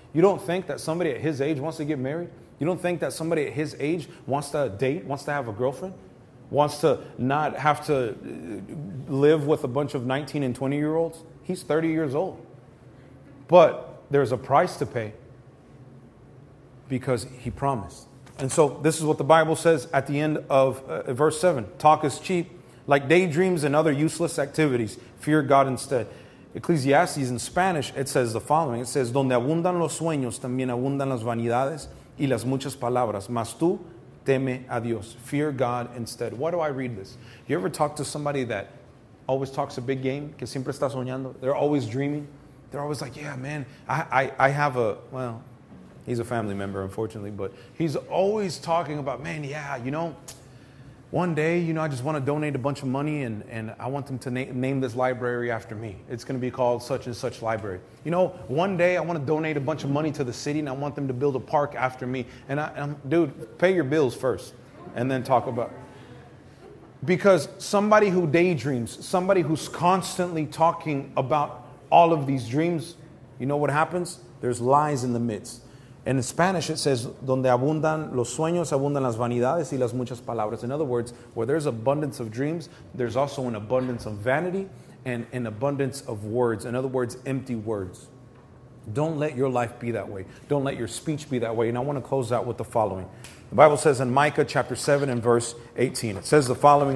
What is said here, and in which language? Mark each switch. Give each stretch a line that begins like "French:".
English: You don't think that somebody at his age wants to get married? You don't think that somebody at his age wants to date, wants to have a girlfriend, wants to not have to live with a bunch of 19 and 20-year-olds? He's 30 years old. But there's a price to pay because he promised. And so this is what the Bible says at the end of verse 7. Talk is cheap, like daydreams and other useless activities. Fear God instead. Ecclesiastes in Spanish, it says the following. It says,
Spanish: donde abundan los sueños, también abundan las vanidades y las muchas palabras. Mas tú, teme a Dios.
English: Fear God instead. Why do I read this? You ever talk to somebody that always talks a big game?
Spanish: Que siempre está soñando?
English: They're always dreaming. They're always like, yeah, man, I have a, well, he's a family member, unfortunately, but he's always talking about, man, yeah, you know, one day, you know, I just want to donate a bunch of money and I want them to name this library after me. It's going to be called such and such library. You know, one day I want to donate a bunch of money to the city and I want them to build a park after me. And dude, pay your bills first and then talk about. Because somebody who daydreams, somebody who's constantly talking about all of these dreams, you know what happens? There's lies in the midst. And in Spanish, it says,
Spanish: donde abundan los sueños, abundan las vanidades y las muchas palabras.
English: In other words, where there's abundance of dreams, there's also an abundance of vanity and an abundance of words. In other words, empty words. Don't let your life be that way. Don't let your speech be that way. And I want to close out with the following. The Bible says in Micah chapter 7 and verse 18, it says the following.